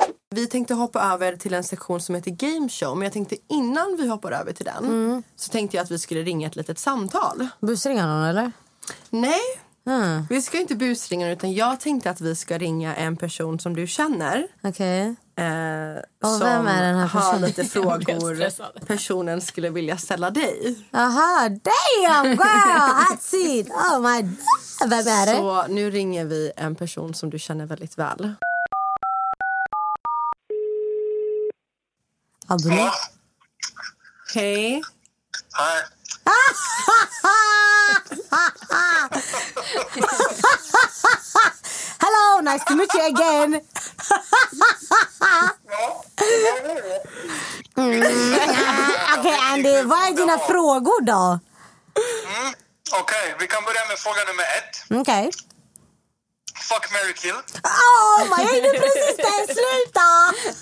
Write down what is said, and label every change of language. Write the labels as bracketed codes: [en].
[sv] Vi tänkte hoppa över till en sektion som heter Game Show. Men jag tänkte innan vi hoppar över till den så tänkte jag att vi skulle ringa ett litet samtal. Busringa någon eller? Nej, vi ska inte busringa, utan jag tänkte att vi ska ringa en person som du känner. Okej, [en] okay. [sv] Och vem är den här personen? Som har lite frågor personen skulle vilja ställa dig. [en] Aha, damn girl, that's it, oh my god. [sv] Vem är det? Så nu ringer vi en person som du känner väldigt väl. Abdul. Hej. Hej. [en] Hello, nice to meet you again. [sv] Okej, okay, Andy, vad är dina frågor då? Okej, vi kan börja med fråga nummer ett. Okej. [en] Fuck, marry, kill. [sv] Åh, jag är precis där, sluta!